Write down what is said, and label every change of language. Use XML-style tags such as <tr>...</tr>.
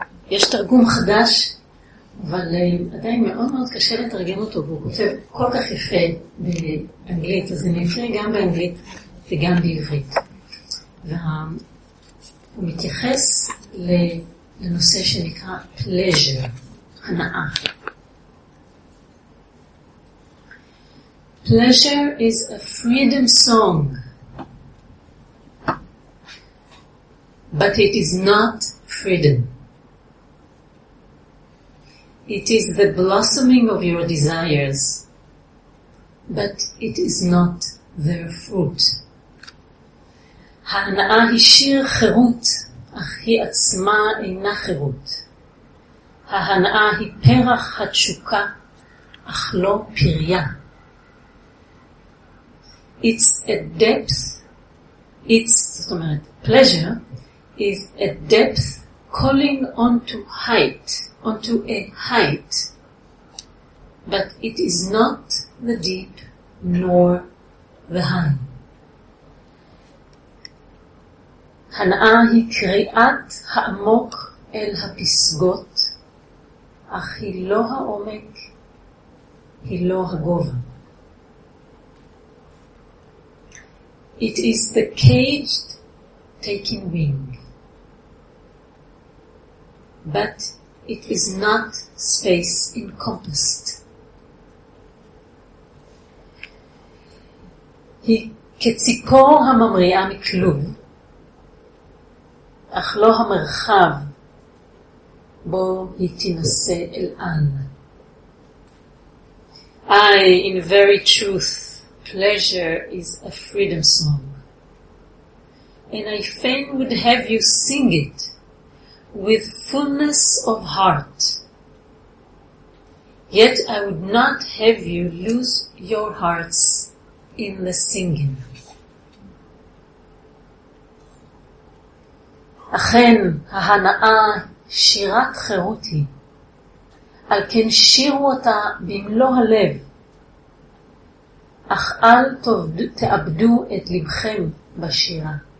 <he>יש תרגום חדש, אבל עדיין מאוד מאוד קשה לתרגם אותו, והוא כותב כל כך יפה באנגלית, אז אני אפריא גם באנגלית וגם בעברית. והוא מתייחס לנושא שנקרא פלז'ר, הנאה.</he> <en>Pleasure is a freedom song, but it is not freedom. It is the blossoming of your desires, but it is not their fruit.</en> <he>ההנאה היא שיר חירות, אך היא עצמה אינה חירות. ההנאה היא פרח התשוקה, אך לא פריה.</he> <en>It's a depth,</en> <he>זאת אומרת,</he> <en>pleasure is a depth calling onto height, onto a height, but it is not the deep nor the high.</en> <he>הנאה היא קריאת העמוק אל הפסגות, אך היא לא העומק, היא לא הגובה.</he> <en>It is the caged taking wing, but it is not space encompassed.</en> <he>היא כציפור הממריאה מכלוב, אך לא המרחב בו היא תנסה אל על.</he> <en>I, in very truth, pleasure is a freedom song, and I fain would have you sing it with fullness of heart. Yet I would not have you lose your hearts in the singing.</en> <he>אכן, ההנאה שירת חירות היא, על כן שירו אותה במלוא הלב, אך אל תאבדו את לבכם בשירה.</he>